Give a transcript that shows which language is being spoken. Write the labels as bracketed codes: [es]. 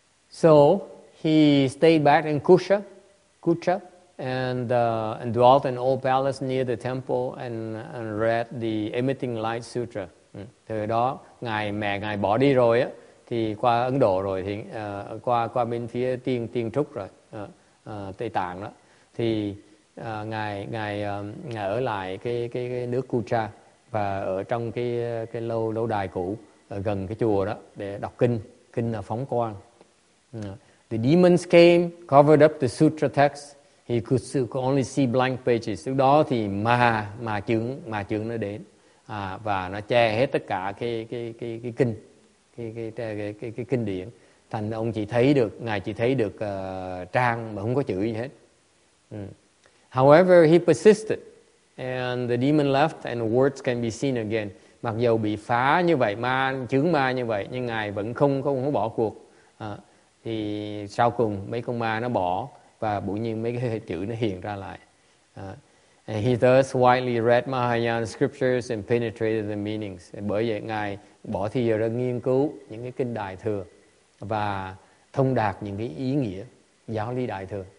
[en] So he stayed back in Kucha, and dwelt in an old palace near the temple and read the Emitting Light Sutra. [vi] Từ đó ngài mẹ ngài bỏ đi rồi á, thì qua Ấn Độ rồi, thì qua bên phía tiên trúc rồi, Tây Tạng đó, thì ngài ở lại cái nước Kucha và ở trong cái lâu đài cũ ở gần cái chùa đó để đọc kinh phóng quang. [en] The demons came, covered up the sutra text. He could only see blank pages. [vi] Lúc đó thì ma chướng nó đến, và nó che hết tất cả cái kinh, cái kinh điển. Thành ông chỉ thấy được, ngài chỉ thấy được trang mà không có chữ gì hết. [en] However, he persisted, and the demon left, and the words can be seen again. [vi] Mặc dù bị phá như vậy, ma chướng ma như vậy, nhưng ngài vẫn không bỏ cuộc. Thì sau cùng mấy con ma nó bỏ và bỗng nhiên mấy cái chữ nó hiện ra lại. [en] And he thus widely read Mahayana scriptures and penetrated the meanings. [vi] Bởi vậy ngài bỏ thì giờ ra nghiên cứu những cái kinh đại thừa và thông đạt những cái ý nghĩa giáo lý đại thừa.